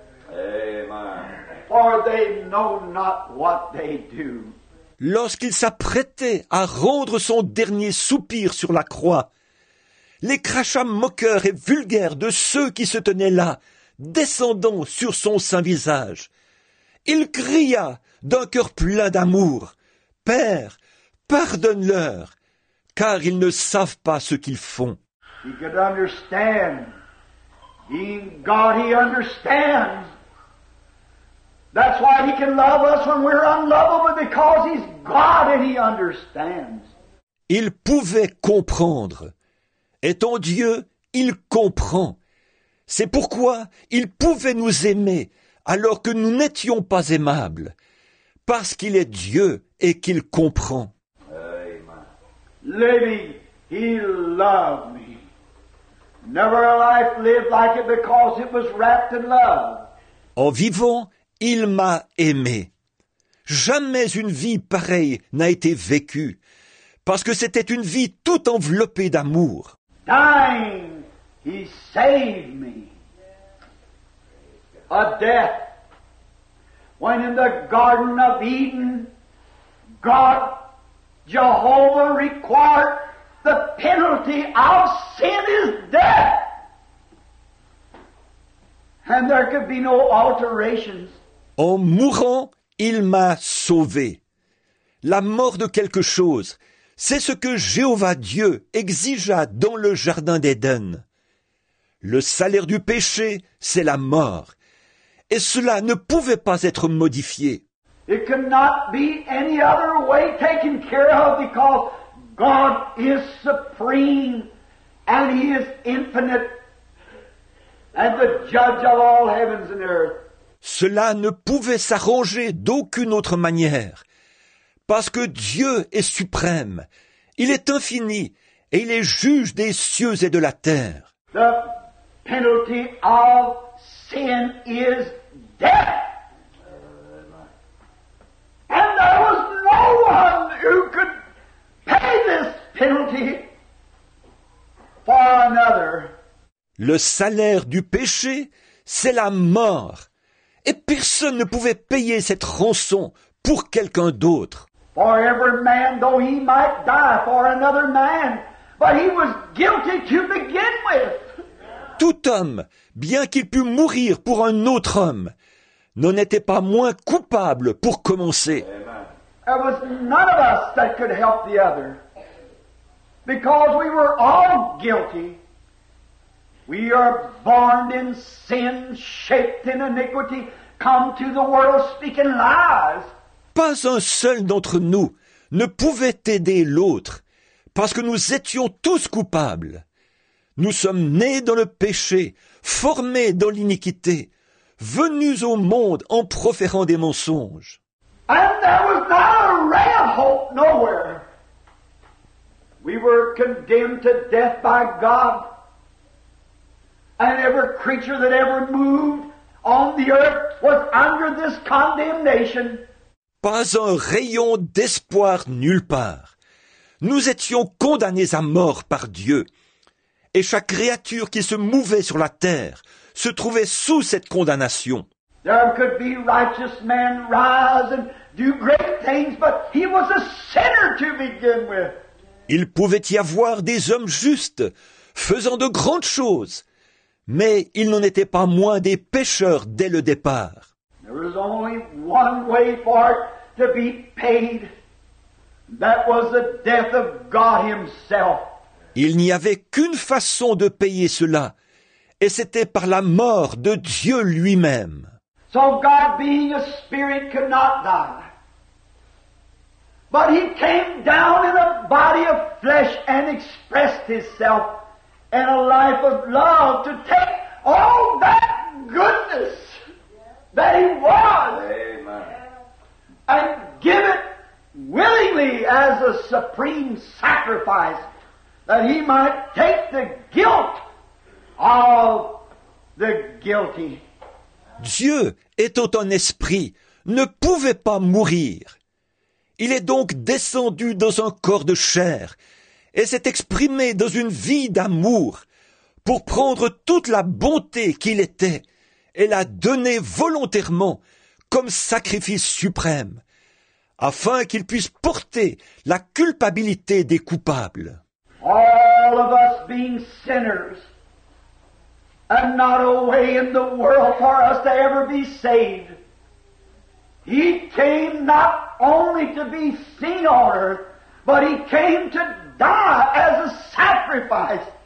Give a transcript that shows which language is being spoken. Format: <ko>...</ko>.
<en>Amen. For they know not what they do.</en> <fr>Lorsqu'il s'apprêtait à rendre son dernier soupir sur la croix, les crachats moqueurs et vulgaires de ceux qui se tenaient là, descendant sur son saint visage, il cria d'un cœur plein d'amour, « Père, pardonne-leur, car ils ne savent pas ce qu'ils font. »</fr> <en>He could understand, being God, he understands. That's why he can love us when we're unlovable, because he's God and he understands.</en> <fr>Il pouvait comprendre. Étant Dieu, il comprend. C'est pourquoi il pouvait nous aimer alors que nous n'étions pas aimables. Parce qu'il est Dieu et qu'il comprend.</fr> <en>Lady, he loved me. Never a life lived like it because it was wrapped in love.</en> <fr>En vivant, il m'a aimé. Jamais une vie pareille n'a été vécue, parce que c'était une vie tout enveloppée d'amour.</fr> <en>Dying, he saved me. A death. When in the Garden of Eden, God, Jehovah, required the penalty of sin is death. And there could be no alterations.</en> <fr>En mourant, il m'a sauvé. La mort de quelque chose, c'est ce que Jéhovah Dieu exigea dans le jardin d'Éden. Le salaire du péché, c'est la mort. Et cela ne pouvait pas être modifié.</fr> <en>It could not be any other way taken care of because God is supreme and he is infinite and the judge of all heavens and earth.</en> <fr>Cela ne pouvait s'arranger d'aucune autre manière. Parce que Dieu est suprême, il est infini et il est juge des cieux et de la terre.</fr> <en>The penalty of sin is death. And there was no one who could pay this penalty for another.</en> <fr>Le salaire du péché, c'est la mort. Et personne ne pouvait payer cette rançon pour quelqu'un d'autre.</fr> <en>For every man, though he might die for another man, but he was guilty to begin with.</en> <fr>Tout homme, bien qu'il pût mourir pour un autre homme, n'en était pas moins coupable pour commencer.</fr> <en>Amen. There was none of us that could help the other, because we were all guilty. We are born in sin, shaped in iniquity, come to the world speaking lies.</en> <fr>Pas un seul d'entre nous ne pouvait aider l'autre, parce que nous étions tous coupables. Nous sommes nés dans le péché, formés dans l'iniquité, venus au monde en proférant des mensonges.</fr> <en>And there was not a ray of hope nowhere. We were condemned to death by God. And every creature that ever moved on the earth was under this condemnation.</en> <fr>Pas un rayon d'espoir nulle part. Nous étions condamnés à mort par Dieu. Et chaque créature qui se mouvait sur la terre se trouvait sous cette condamnation.</fr> <en>There could be righteous men rise and do great things, but he was a sinner to begin with.</en> <fr>Il pouvait y avoir des hommes justes faisant de grandes choses. Mais il n'en était pas moins des pécheurs dès le départ.</fr> <en>There was only one way for it to be paid. That was the death of God himself.</en> <fr>Il n'y avait qu'une façon de payer cela, et c'était par la mort de Dieu lui-même.</fr> <en>So God being a spirit could not die. But he came down in a body of flesh and expressed himself and a life of love to take all that goodness that he was. Amen. And give it willingly as a supreme sacrifice that he might take the guilt of the guilty.</en> <fr>Dieu, étant un esprit, ne pouvait pas mourir. Il est donc descendu dans un corps de chair et s'est exprimé dans une vie d'amour pour prendre toute la bonté qu'il était et la donner volontairement comme sacrifice suprême, afin qu'il puisse porter la culpabilité des coupables.</fr> <en>All of us being sinners, and not a way in the world for us to ever be saved. He came not only to be seen on earth, but he came to die as a sacrifice.</en>